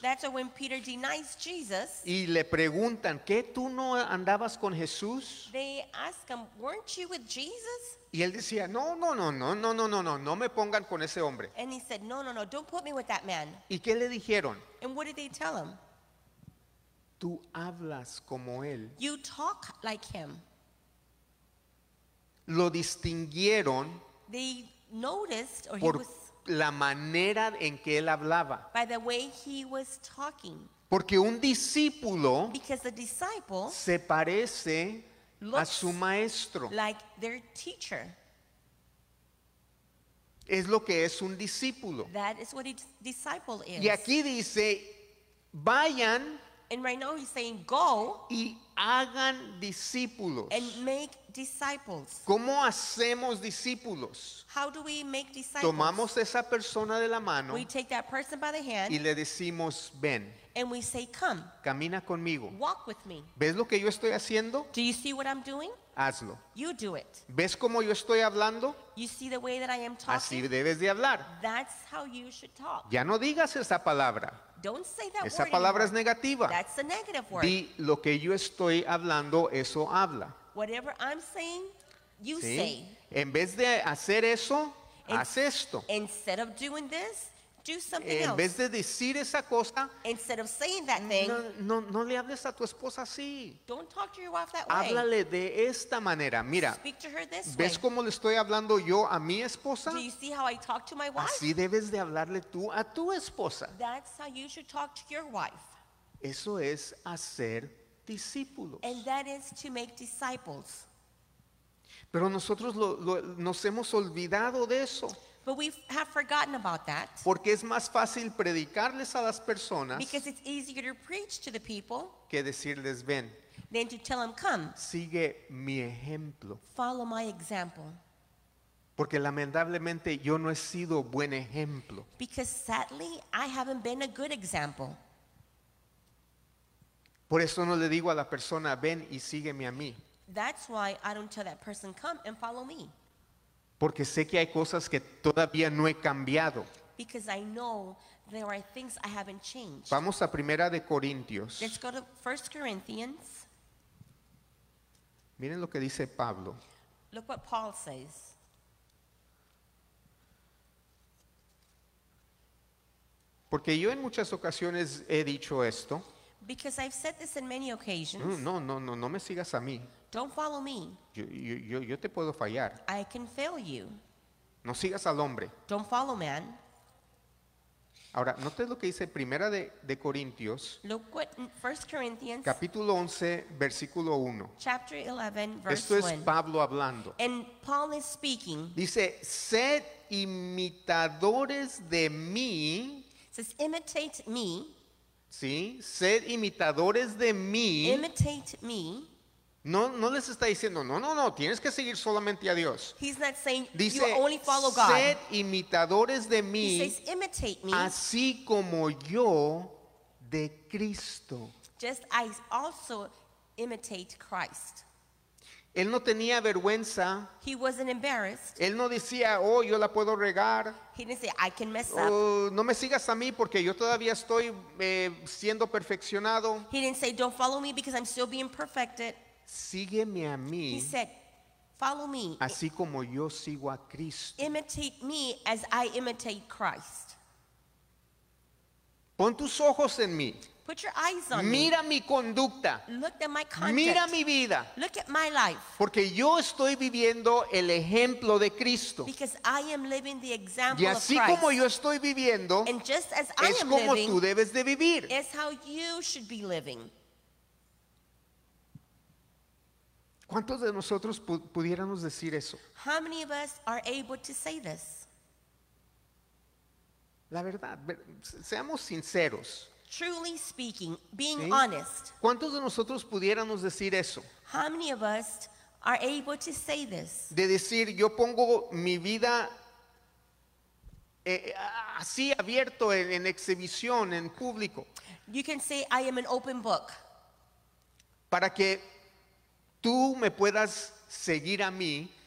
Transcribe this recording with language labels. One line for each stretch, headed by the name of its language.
English: that's when Peter denies Jesus,
Spanish: y le preguntan, ¿qué tú no andabas con Jesús?
English: They ask him, weren't you with Jesus?
Spanish: Y él decía, no, no, no, no, no, no, no, no, no me pongan con ese hombre.
English: And he said, no, no, no, don't put me with that man.
Spanish: ¿Y qué le dijeron?
English: And what did they tell him?
Spanish: Tú hablas como él.
English: You talk like him.
Spanish: Lo distinguieron.
English: They noticed, or
Spanish: por
English: he was,
Spanish: la manera en que él hablaba.
English: By the way he was talking.
Spanish: Porque un discípulo,
English: because the disciple,
Spanish: se parece a su maestro.
English: Like their teacher.
Spanish: Es lo que es un discípulo.
English: That is what a disciple is.
Spanish: Y aquí dice, vayan.
English: And right now he's saying, go.
Spanish: Y hagan discípulos.
English: And make disciples.
Spanish: ¿Cómo hacemos discípulos?
English: How do we make disciples?
Spanish: Tomamos esa persona de la mano.
English: We take that person by the hand.
Spanish: Y le decimos, ven.
English: And we say, come.
Spanish: Camina conmigo.
English: Walk with me.
Spanish: ¿Ves lo que yo estoy haciendo?
English: Do you see what I'm doing?
Spanish: Hazlo.
English: You do it.
Spanish: ¿Ves cómo yo estoy hablando?
English: You see the way that I am talking?
Spanish: Así debes de hablar.
English: That's how you should talk.
Spanish: Ya no digas esa palabra.
English: Don't say that
Spanish: esa palabra
English: anymore.
Spanish: Es negativa.
English: That's a negative word.
Spanish: Di lo que yo estoy hablando, eso habla.
English: Whatever I'm saying, you
Spanish: ¿sí?
English: say.
Spanish: En vez de hacer eso, haz esto.
English: Instead of doing this, do something
Spanish: en
English: else.
Spanish: Vez de decir esa cosa,
English: instead of saying that thing,
Spanish: no le hables a tu esposa así.
English: Don't talk to your wife that way.
Spanish: Háblale de esta manera. Mira,
English: speak to her this
Spanish: ¿ves
English: way?
Spanish: Cómo le estoy hablando yo a mi esposa?
English: Do you see how I talk to my wife?
Spanish: Así debes de hablarle tú a tu esposa.
English: That's how you should talk to your wife.
Spanish: Eso es hacer discípulos.
English: And that is to make disciples.
Spanish: Pero nosotros nos hemos olvidado de eso.
English: But we have forgotten about that.
Spanish: Porque es más fácil predicarles a las personas.
English: Because it's easier to preach to the people.
Spanish: Que decirles ven.
English: Than to tell them come.
Spanish: Sigue mi ejemplo.
English: Follow my example.
Spanish: Porque lamentablemente yo no he sido buen ejemplo.
English: Because sadly I haven't been a good example.
Spanish: Por eso no le digo a la persona ven y sígueme a mí.
English: That's why I don't tell that person come and follow me.
Spanish: Porque sé que hay cosas que todavía no he cambiado.
English: Because I know there are things I haven't changed.
Spanish: Vamos a Primera de Corintios.
English: Let's go to 1 Corinthians.
Spanish: Miren lo que dice Pablo.
English: Look what Paul says.
Spanish: Porque yo en muchas ocasiones he dicho esto.
English: Because I've said this in many occasions.
Spanish: No me sigas a mí.
English: Don't follow me.
Spanish: Yo te puedo fallar.
English: I can fail you.
Spanish: No sigas al hombre.
English: Don't follow man.
Spanish: Ahora, note lo que dice Primera de Corintios.
English: Look what 1 Corinthians.
Spanish: Capítulo 11, versículo 1.
English: Chapter 11, verse 1.
Spanish: Esto es Pablo hablando.
English: And Paul is speaking.
Spanish: Dice, sed imitadores de mí.
English: It says, imitate me.
Spanish: Sí, sed imitadores de mí.
English: Imitate me.
Spanish: No les está diciendo, no, tienes que seguir solamente a Dios.
English: He's not saying,
Spanish: dice,
English: you only follow God.
Spanish: Sed imitadores de mí.
English: He says, imitate me.
Spanish: Así como yo de Cristo.
English: Just as also imitate Christ.
Spanish: Él no tenía vergüenza.
English: He wasn't embarrassed.
Spanish: Él no decía, yo la puedo regar.
English: He didn't say, I can mess up.
Spanish: No me sigas a mí porque yo todavía estoy siendo perfeccionado.
English: He didn't say, don't follow me because I'm still being perfected.
Spanish: Sígueme a mí.
English: He said, follow me.
Spanish: Así como yo sigo a Cristo.
English: Imitate me as I imitate Christ.
Spanish: Pon tus ojos en mí.
English: Put your eyes on
Spanish: mira
English: me.
Spanish: Mi conducta.
English: Look at my conduct.
Spanish: Mira mi vida.
English: Look at my life.
Spanish: Porque yo estoy viviendo el ejemplo de Cristo.
English: Because I am living the example of
Spanish: Christ. Y así como yo estoy viviendo,
English: and just as
Spanish: es
English: I am
Spanish: como
English: living,
Spanish: tú debes de vivir.
English: Is how you should be living.
Spanish: ¿Cuántos de nosotros pudiéramos decir eso?
English: How many of us are able to say this?
Spanish: La verdad, seamos sinceros.
English: Truly speaking, being ¿sí? honest.
Spanish: ¿Cuántos de nosotros pudiéramos decir eso?
English: How many of us are able to say this?
Spanish: De decir, yo pongo mi vida así abierto en exhibición, en público.
English: You can say, I am an open book.
Spanish: Para que tú me puedas seguir a mí,